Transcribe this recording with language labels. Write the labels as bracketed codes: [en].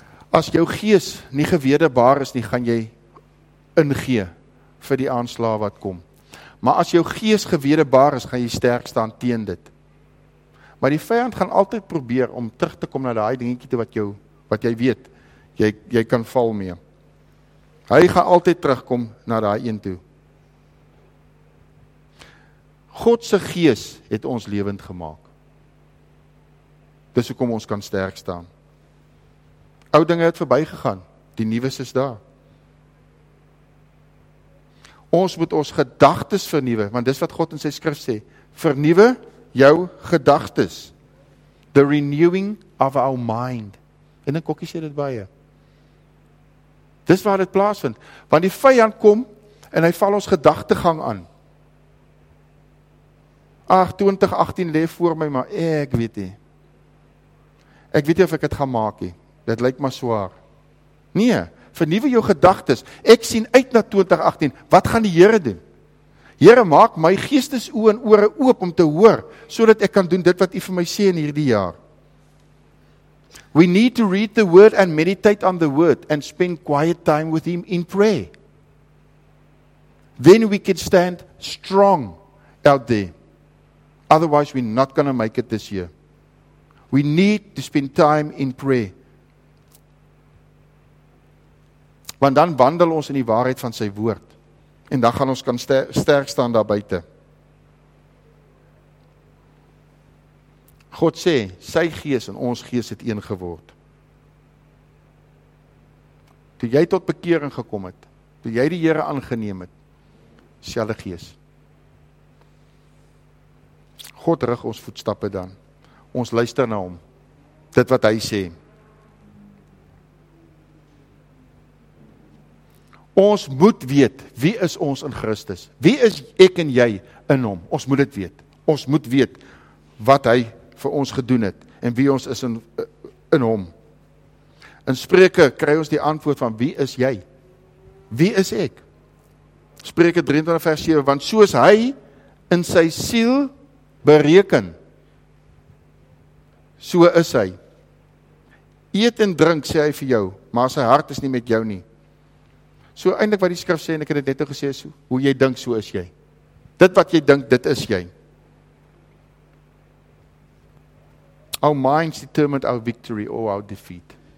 [af] As jou gees nie gewedebaar is nie, gaan jy ingee vir die aanslaa wat kom. Maar as jou gees gewedebaar is, gaan jy sterk staan teen dit. Maar die vyand gaan altyd probeer om terug te kom na daai dingetjie toe wat jy weet, jy kan val mee. Hy gaan altyd terugkom na daai een toe. God se gees het ons lewend gemaak. Dis hoekom ons kan sterk staan. Ou dinge het verby gegaan, die nuwes is daar. Ons moet ons gedagtes vernuwe, want dis wat God in sy skrif sê, vernuwe jou gedagtes. [en] The renewing of our mind. [af] En in kokkie sê dit baie. Dis waar dit plaasvind. Want die vyand kom en hy val ons gedagtegang aan. Ag, 2018 lê voor my, maar ek weet nie. Ek weet nie of ek dit gaan maak nie. Dit lyk maar swaar. Nee, vernuwe jou gedagtes. Ek sien uit na 2018. Wat gaan die Here doen? Here, maak my geestesoë en ore oop om te hoor, sodat ek kan doen dit wat U vir my sê in hierdie jaar. [en] We need to read the word and meditate on the word and spend quiet time with Him in prayer. Then we can stand strong out there. Otherwise, we're not going to make it this year. We need to spend time in prayer. [af] Want dan wandel ons in die waarheid van sy woord. En dan gaan ons kan sterk staan daar buite. God sê, sy gees en ons gees het een geword. Toe jy tot bekering gekom het, toe jy die Here aangeneem het, selfde gees. God rig ons voetstappe dan. Ons luister na hom. Dit wat hy sê. Ons moet weet, wie is ons in Christus? Wie is ek en jy in hom? Ons moet dit weet. Ons moet weet wat hy vir ons gedoen het en wie ons is in hom. In Spreuke kry ons die antwoord van wie is jy? Wie is ek? Spreuke 23 vers 7, want soos hy in sy siel bereken, so is hy. Eet en drink, sê hy vir jou, maar sy hart is nie met jou nie. So eintlik wat die skrif sê, en ek het dit net al gesê, so, hoe jy dink, so is jy. Dit wat jy dink, dit is jy. [en] Our minds determine our victory or our defeat.